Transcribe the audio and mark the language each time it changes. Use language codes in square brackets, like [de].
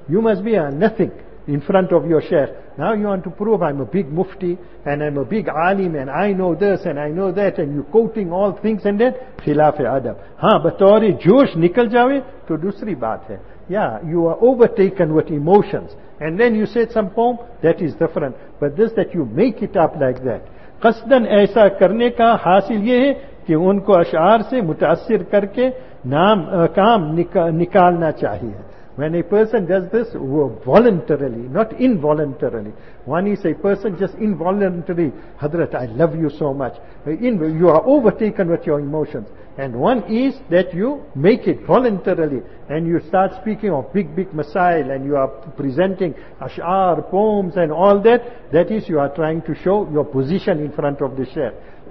[en] You must be a nothing in front of your sheikh. Now you want to prove I'm a big mufti and I'm a big alim and I know this and I know that, and you're quoting all things and that, [ur] khilaf adab. Haan, batore josh nikal jawe, to dusri baat hai. [en] Yeah, you are overtaken with emotions. And then you said some poem, that is different. But this, that you make it up like that. [ur] قصدن ایسا کرنے کا حاصل یہ ہے کہ ان کو اشعار سے متاثر کر کے نام کام نکالنا چاہیے. [en] When a person does this voluntarily, not involuntarily. One is a person just involuntarily, Hazrat, I love you so much. You are overtaken with your emotions. And one is that you make it voluntarily and you start speaking of big, big masail and you are presenting ashar, poems and all that. That is, you are trying to show your position in front of the sheikh.